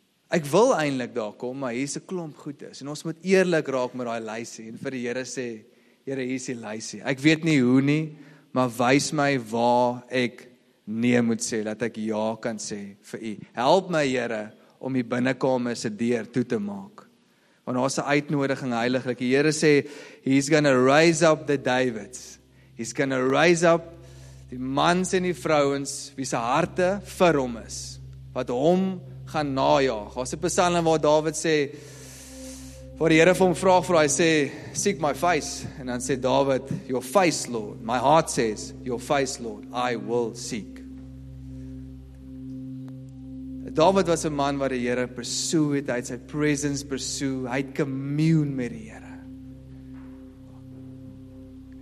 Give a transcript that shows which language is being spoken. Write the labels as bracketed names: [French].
[Afrikaans] Ek wil eintlik daar kom, maar hier's 'n klomp goedes. En ons moet eerlik raak met daai lysie en vir die Here sê, Here, hier's die lysie. Ek weet nie hoe nie, maar wys my waar ek nee moet sê, dat ek ja kan sê vir U. Help my, Here, om die binnekamer se deur toe te maak. Want daar's 'n uitnodiging, heiliglik. Die Here sê, [English] He's gonna raise up the Davids. He's gonna raise up [Afrikaans] die mans en die vrouens wie se harte vir hom is, wat hom gaan najaag. Daar's 'n psalm waar Dawid sê, waar die Here vir hom vraag, vir hy sê, [English] seek my face. [Afrikaans] En dan sê Dawid, [English] your face, Lord. My heart says, your face, Lord, I will seek. [Afrikaans] David was 'n man wat die Here pursue het, hy het sy presence pursue, hy het commune met die Here.